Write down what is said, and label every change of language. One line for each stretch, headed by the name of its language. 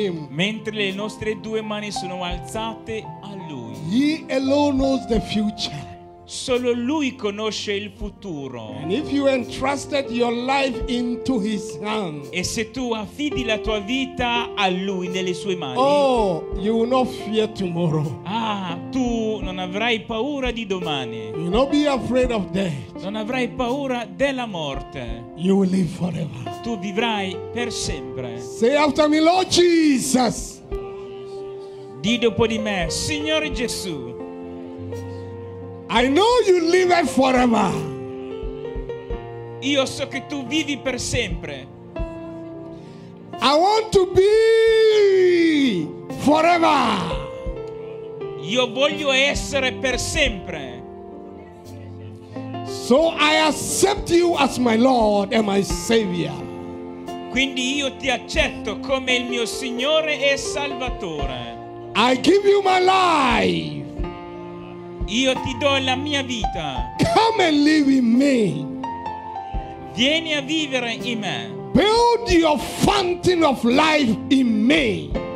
Italian: Mentre le nostre due mani sono alzate a Lui.
English: He alone knows the future.
Italian: Solo Lui conosce il futuro.
English: And if you entrusted your life into His hands,
Italian: e se tu affidi la tua vita a Lui nelle sue mani,
English: oh, you will not fear tomorrow.
Italian: Ah, tu non avrai paura di domani.
English: You will not be afraid of death.
Italian: Non avrai paura della morte.
English: You will live forever.
Italian: Tu vivrai per sempre.
English: Say after me, Lord Jesus.
Italian: Di dopo di me, Signore Gesù.
English: I know you live forever.
Italian: Io so che tu vivi per sempre.
English: I want to be forever.
Italian: Io voglio essere per sempre.
English: So I accept you as my Lord and my Savior.
Italian: Quindi io ti accetto come il mio Signore e Salvatore.
English: I give you my life.
Italian: Io ti do la mia vita.
English: Come and live in me.
Italian: Vieni a vivere in me.
English: Build your fountain of life in me.